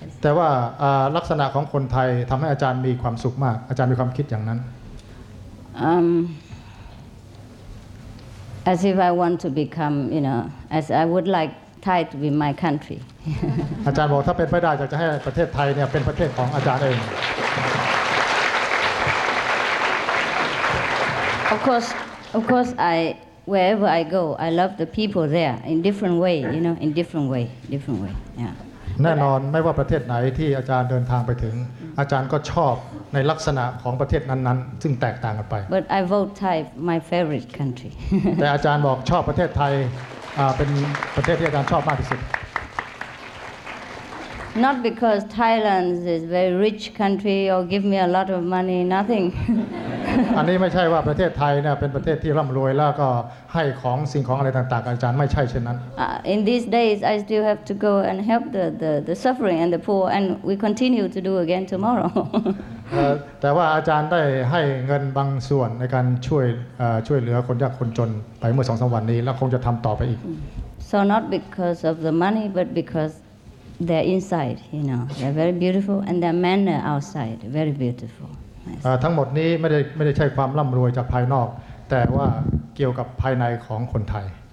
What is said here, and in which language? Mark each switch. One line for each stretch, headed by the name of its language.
Thai: แต่ว่าลักษณะของคนไทยทำให้อาจารย์มีความสุขมากอาจารย์มีความคิดอย่างนั้น
English: As if I want to become, you know, as I would like Thai to be my country.
Thai: อาจารย์บอกถ้าเป็นไปได้อยากจะให้ประเทศไทยเนี่ยเป็นประเทศของอาจารย์เอง
English: Of course Wherever I go, I love the people there in different way, you know, in different way, yeah.
Thai: แน่นอนไม่ว่าประเทศไหนที่อาจารย์เดินทางไปถึงอาจารย์ก็ชอบในลักษณะของประเทศนั้นๆซึ่งแตกต่างกันไป
English: But I vote Thai, my favorite country.
Thai: แต่อาจารย์บอกชอบประเทศไทยเป็นประเทศที่อาจารย์ชอบมากที่สุด
English: Not because Thailand is a very rich country or give me a lot of money, nothing.
Thai: อันนี้ไม่ใช่ว่าประเทศไทยเนี่ยเป็นประเทศที่ร่ำรวยแล้วก็ให้ของสิ่งของอะไรต่างๆอาจารย์ไม่ใช่เช่นนั้น
English: In these days I still have to go and help the suffering and the poor and we continue to do again tomorrow
Thai: แต่ว่าอาจารย์ได้ให้เงินบางส่วนในการช่วยเหลือคนยากคนจนไปเมื่อ 2-3 วันนี้แล้วคงจะทำต่อไปอีก
English: So not because of the money but becauseThey're inside, you know. They're very beautiful, and their manner outside, very beautiful.
Thai: ทั้งหมดนี้ไม่ได้ใช่ความร่ำรวยจากภายนอกแต่ว่าเกี่ยวกับภายในของคนไทย